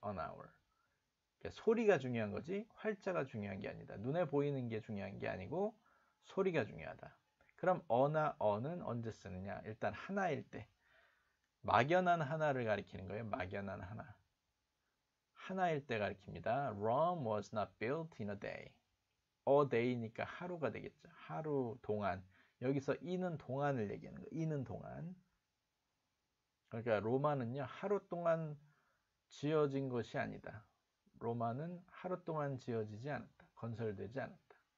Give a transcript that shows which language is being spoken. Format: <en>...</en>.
<en>an hour.</en> <ko>그러니까 소리가 중요한 거지, 활자가 중요한 게 아니다. 눈에 보이는 게 중요한 게 아니고, 소리가 중요하다. 그럼, 어나, 어는 언제 쓰느냐? 일단, 하나일 때. 막연한 하나를 가리키는 거예요. 막연한 하나. 하나일 때 가리킵니다.</ko> <en>Rome was not built in a day.</en> <ko>a day니까 하루가 되겠죠. 하루 동안. 여기서 이는 동안을 얘기하는 거예요. 이는 동안. 그러니까, 로마는요, 하루 동안 지어진 것이 아니다. 로마는 하루 동안 지어지지 않았다. 건설되지 않았다.</ko>